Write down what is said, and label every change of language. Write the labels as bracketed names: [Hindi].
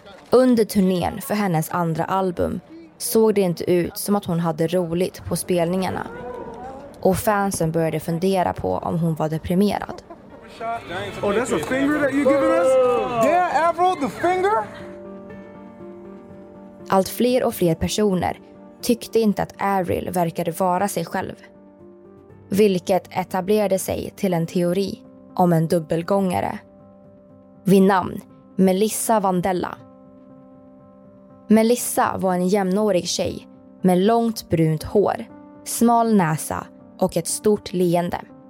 [Swedish] Under turnén för hennes andra album såg det inte ut som att hon hade roligt på spelningarna. Och fansen började fundera på om hon var deprimerad. [English] Oh, that's a finger that you're giving us? Yeah, Avril, the finger? [Swedish] Allt fler och fler personer tyckte inte att Avril verkade vara sig själv. Vilket etablerade sig till en teori om en dubbelgångare. Vid namn Melissa Vandella. Melissa var en jämnårig tjej med långt brunt hår, smal näsa och ett stort leende.